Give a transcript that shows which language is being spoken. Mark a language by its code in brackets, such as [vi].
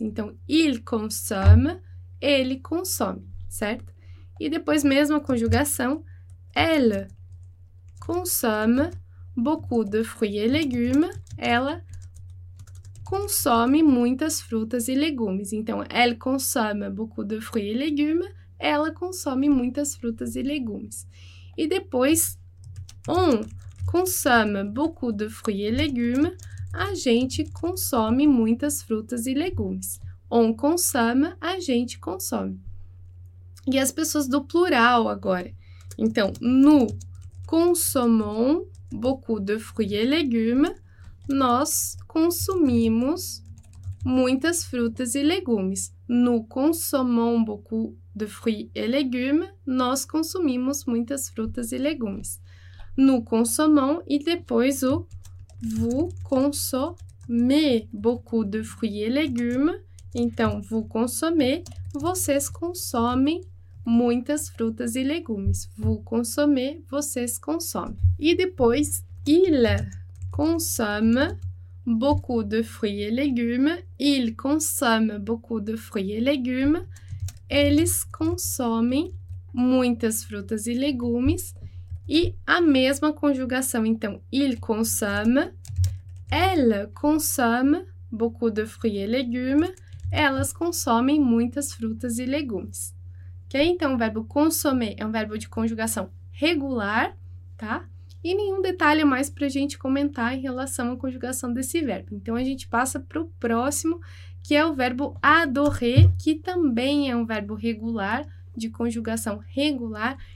[pt] Então, [fr] il consomme, [pt] ele consome, certo? E depois, mesma conjugação, [fr] elle consomme beaucoup de fruits et légumes. [pt] Ela consome muitas frutas e legumes. [fr] Então, elle consomme beaucoup de fruits et légumes. [pt] Ela consome muitas frutas e legumes. E depois, [fr] on consomme beaucoup de fruits et légumes. [pt] A gente consome muitas frutas e legumes. [fr] On consomme, [pt] a gente consome. E as pessoas do plural agora. [fr] Então, nous consommons beaucoup de fruits et légumes. [pt] Nós consumimos muitas frutas e legumes. [fr] Nous consommons beaucoup de fruits et légumes. [pt] Nós consumimos muitas frutas e legumes. [fr] Nous consommons [pt] e depois o [fr] vous consommez beaucoup de fruits et légumes. [pt] Então, [fr] vous consommez, [pt] vocês consomem muitas frutas e legumes. [fr] Vous consommez, [pt] vocês consomem. E depois, [fr] il consomme beaucoup de fruits et légumes. Il consomme beaucoup de fruits et légumes. [pt] Eles consomem muitas frutas e legumes. E a mesma conjugação. Então, [fr] il consomme. Elle consomme beaucoup de fruits et légumes. [pt] Elas consomem muitas frutas e legumes. Okay? Então, o verbo consommer é um verbo de conjugação regular, tá? E nenhum detalhe mais para a gente comentar em relação à conjugação desse verbo. Então, a gente passa para o próximo, que é o verbo adorer, que também é um verbo regular, de conjugação regular.